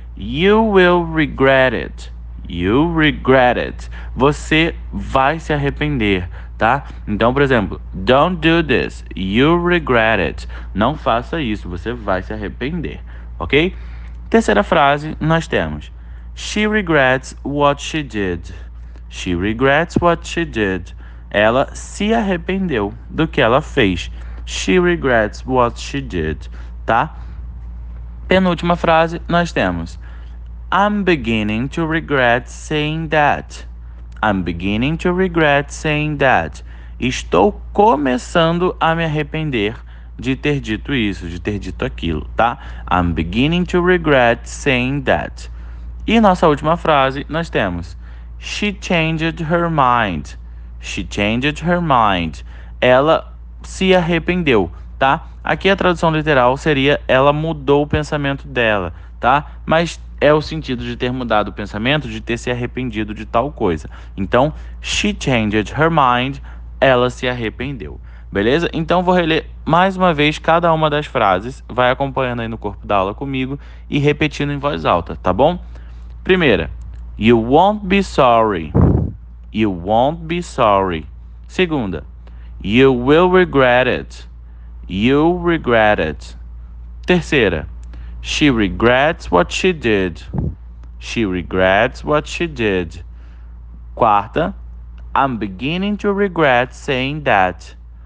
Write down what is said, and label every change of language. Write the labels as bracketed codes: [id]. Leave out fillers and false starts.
[en] You will regret it. You regret it. [pt] Você vai se arrepender. Tá? Então, por exemplo, [en] don't do this, you regret it. [pt] Não faça isso, você vai se arrepender. Ok? Terceira frase, nós temos. [en] She regrets what she did. She regrets what she did. [pt] Ela se arrependeu do que ela fez. [en] She regrets what she did. [pt] Tá? Penúltima frase, nós temos. [en] I'm beginning to regret saying that. I'm beginning to regret saying that. [pt] Estou começando a me arrepender de ter dito isso, de ter dito aquilo, tá? [en] I'm beginning to regret saying that. [pt] E nossa última frase, nós temos. [en] She changed her mind. She changed her mind. [pt] Ela se arrependeu, tá? Aqui a tradução literal seria ela mudou o pensamento dela, tá? Mas é o sentido de ter mudado o pensamento, de ter se arrependido de tal coisa. Então, [en] she changed her mind, [pt] ela se arrependeu. Beleza? Então, vou reler mais uma vez cada uma das frases, vai acompanhando aí no corpo da aula comigo e repetindo em voz alta, tá bom? [en] Primeira, you won't be sorry. You won't be sorry. Segunda, you will regret it. You regret it. Terceira, she regrets what she did. She regrets what she did. Quarta, I'm beginning to regret saying that.